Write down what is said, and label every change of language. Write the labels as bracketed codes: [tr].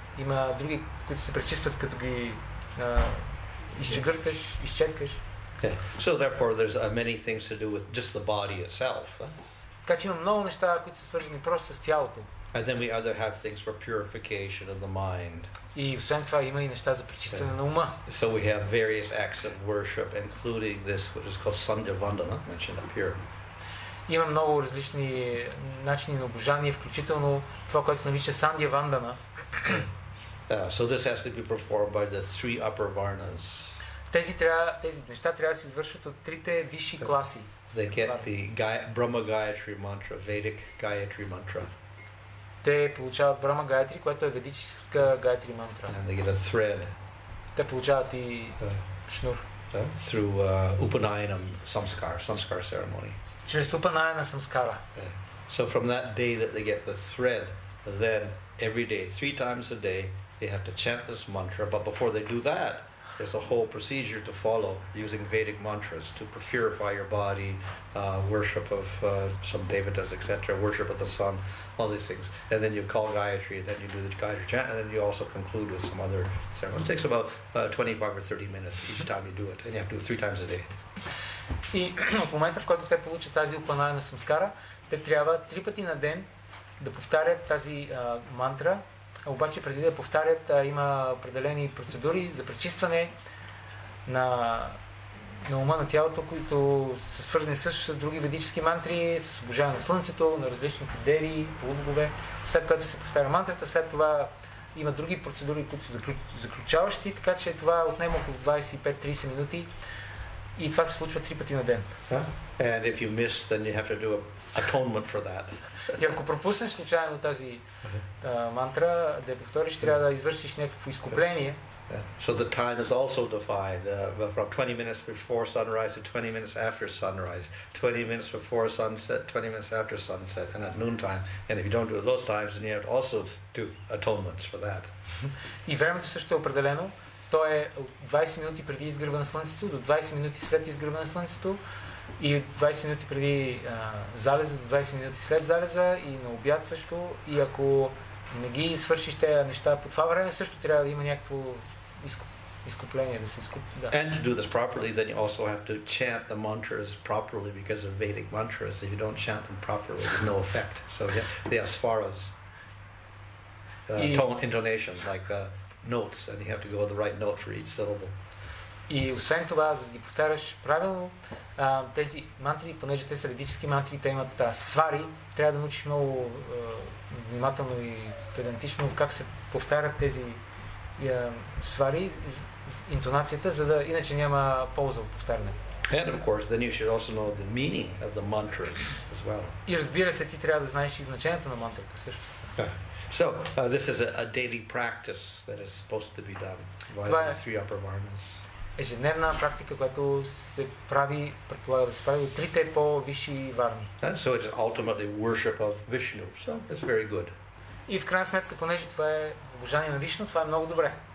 [bg] Има други, които се пречистват, като ги изчегъртеш, изчеткаш. [en] So therefore there's many things to do with just the body itself. [bg] Така че има много неща, които са свързани просто с тялото. [en] And then we other have things for purification of the mind. [bg] И освен това има и неща за пречистване на ума. [en] So we have various acts of worship, including this, which is called Sandhya Vandana, mentioned up here. [bg] Има много различни начини на обожание, включително това, което се нарича Сандия Вандана. [en] So this has to be performed by the three upper varnas. [bg] Тези неща трябва да се извършват от трите висши класи. [en] They get the Brahma Gayatri mantra, Vedic Gayatri mantra. [bg] Те получават Брама Гаятри, което е ведическа Гаятри мантра. [en] And they get a thread. [bg] Те получават и шнур. [en] Through Upanayanam samskar, samskar ceremony. [bg] Чрез Upanayana samskara. [en] So from that day that they get the thread, then every day, three times a day, they have to chant this mantra. But before they do that, there's a whole procedure to follow using Vedic mantras to purify your body, worship of some devatas, etc., worship of the sun, all these things. And then you call Gayatri, then you do the Gayatri chant, and then you also conclude with some other ceremony. It takes about 25 or 30 minutes each time you do it, and you have to do it three times a day. [bg] И в момента, в който те получат тази упанайя на самскара, те трябва три пъти на ден да повтарят тази мантра. Обаче преди да повтарят, има определени процедури за пречистване на, на ума, на тялото, които са свързани също с други ведически мантри, с обожаване на слънцето, на различните деви, полубогове. След което се повтаря мантрата, след това има други процедури, които са заключаващи, така че това отнема около 25-30 минути. И това се случва три пъти на ден. [en] And if you miss, then you have to do an atonement for that. [bg] И ако пропуснеш случайно тази мантра, да я повториш, трябва да извършиш някакво изкупление. [en] So the time is also defined from 20 minutes before sunrise to 20 minutes after sunrise, 20 minutes before sunset, 20 minutes after sunset, and at noontime. And if you don't do those times, then you have to also do atonements for that. [bg] И времето също е определено. То е от 20 минути преди изгръба на слънцето до 20 минути след изгръба на слънцето и 20 минути преди залеза до 20 минути след залеза и на обяд също. И ако не ги свършиш тези неща по това време, също трябва да има някакво изкупление, да се изкупи. Да. [en] And to do this properly, then you also have to chant the mantras properly because of Vedic mantras. If you don't chant them properly, there's no effect. So the asvaras, tone intonation, like notes, and you have to go the right note for each syllable. [bg] И освен това, за да ги повтаряш правилно, тези мантри, понеже те са ведически мантри, те имат свари, трябва да научиш много внимателно и педантично как се повтарят тези свари, интонацията, за да иначе няма полза от повтаряне. [en] And of course, then you should also know the meaning of the mantras as well. [bg] И разбира се, ти трябва да знаеш и значението на мантрата също. [en] So this is a daily practice that is supposed to be done by the three upper varnas. [bg] Ежедневна практика, която се прави, предполага да се прави от трите по-висши варни. [en] And so it's ultimately worship of Vishnu. So it's very good. [bg] И в крайна сметка, понеже това е обожание на Вишну, това е много добре.